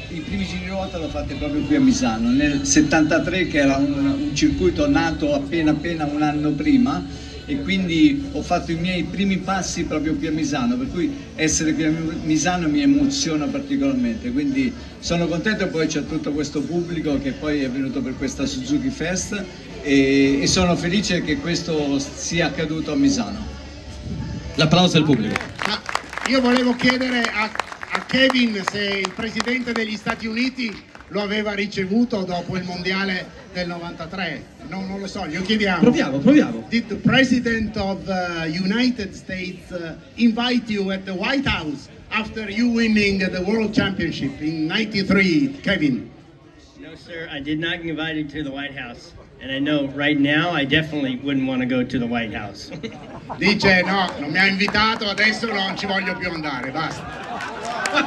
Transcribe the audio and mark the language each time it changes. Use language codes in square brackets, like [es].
[it] I primi giri di ruota l'ho fatto proprio qui a Misano nel 73, che era un circuito nato appena un anno prima, e quindi ho fatto i miei primi passi proprio qui a Misano, per cui essere qui a Misano mi emoziona particolarmente, quindi sono contento. E poi c'è tutto questo pubblico che poi è venuto per questa Suzuki Fest e sono felice che questo sia accaduto a Misano. L'applauso del pubblico. Io volevo chiedere a Kevin se il presidente degli Stati Uniti lo aveva ricevuto dopo il mondiale del 93. No, non lo so, glielo chiediamo. Proviamo. [en] Did the president of the United States invite you at the White House after you winning the world championship in 93, Kevin? No, sir, I did not invite you to the White House. And I know right now I definitely wouldn't want to go to the White House. [it] Dice no, non mi ha invitato, adesso non ci voglio più andare, basta.